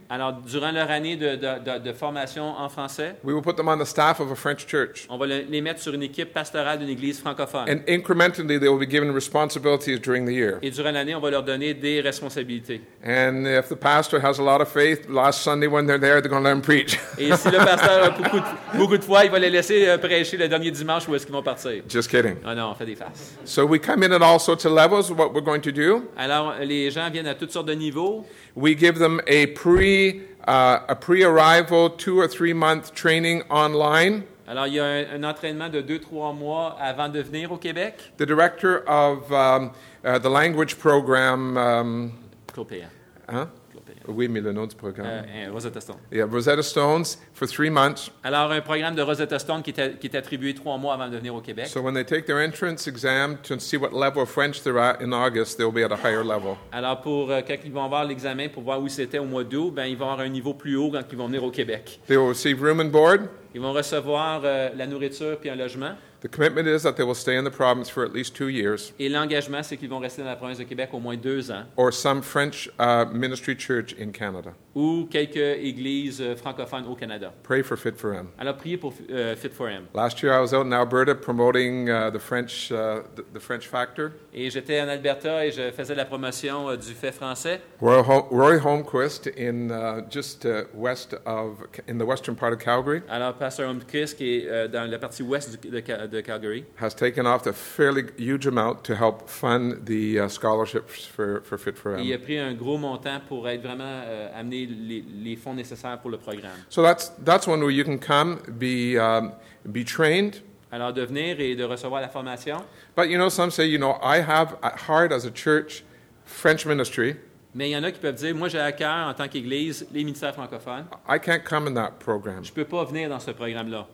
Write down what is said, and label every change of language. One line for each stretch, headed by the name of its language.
French: Alors durant leur année de formation en français.
English: We will put them on the staff of a French church.
French: On va les mettre sur une équipe pastorale d'une église francophone.
English: And incrementally they will be given responsibilities during the year.
French: Et durant l'année on va leur donner des responsabilités.
English: And if the pastor has a lot of faith, last Sunday when they're there, they're going to let them preach.
French: Et si le pasteur a beaucoup de foi, il va les laisser prêcher le dernier dimanche où est-ce qu'ils vont partir.
English: Just kidding.
French: Ah non, on fait des faces.
English: So we come in at all sorts of levels. What we're going to do?
French: Alors les gens viennent à toutes sortes de niveaux.
English: We give them a pre-arrival 2 or 3 month training online.
French: Alors, il y a un entraînement de 2-3 mois avant de venir au Québec.
English: The director of the language program. Clopea.
French: Hein? Oui, mais le nom du programme.
English: Rosetta Stone. Yeah, Rosetta Stones for 3 months.
French: Alors, un programme de Rosetta Stone qui est attribué 3 mois avant de venir au Québec.
English: So when they take their entrance exam to see what level of French they're at in August, they'll be at a higher level.
French: Alors, pour quand ils vont avoir l'examen pour voir où ils étaient au mois d'août, ben ils vont avoir un niveau plus haut quand ils vont venir au Québec.
English: They will receive room and board.
French: Ils vont recevoir la nourriture puis un logement.
English: The commitment is that they will stay in the province for at least 2 years.
French: Et l'engagement, c'est qu'ils vont rester dans la province de Québec au moins 2 ans.
English: Or some French ministry church in Canada.
French: Ou quelques églises francophones au Canada.
English: Pray for Fit for Him.
French: Alors priez pour Fit for Him.
English: Last year I was out in Alberta promoting the French factor.
French: Et j'étais en Alberta et je faisais la promotion du fait français.
English: Roy Holmquist in in the western part of Calgary.
French: Alors Pasteur Holmquist qui est dans la partie ouest de Calgary.
English: Has taken off a fairly huge amount to help fund the scholarships for Fit for Him.
French: Il a pris un gros montant pour être vraiment amené les fonds nécessaires pour le programme.
English: So that's one where you can come, be trained.
French: Alors de venir et de recevoir la formation.
English: But you know, some say, you know, I have at heart as a church French ministry.
French: Mais il y en a qui peuvent dire, moi j'ai à cœur en tant qu'église les ministères francophones.
English: I can't come in that program.
French: Je peux pas venir dans ce programme-là.